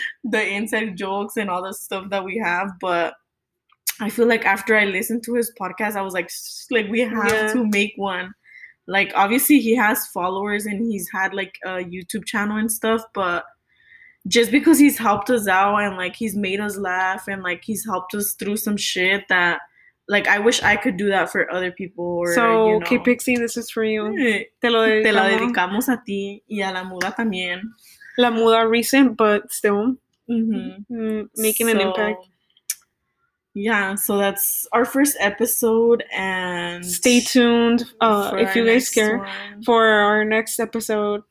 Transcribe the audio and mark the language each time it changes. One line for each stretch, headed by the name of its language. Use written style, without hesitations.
English: the inside jokes and all the stuff that we have, but I feel like after I listened to his podcast, I was like, we have to make one. Like, obviously, he has followers and he's had, like, a YouTube channel and stuff. But just because he's helped us out and, like, he's made us laugh and, like, he's helped us through some shit that, like, I wish I could do that for other people. Or, so, you know. Okay, Pixie, this is for you.
Spanish: Te lo dedicamos a ti y a la muda también.
English: La muda recent, but still making an impact. Yeah, so that's our first episode, and stay tuned if you guys care for our next episode.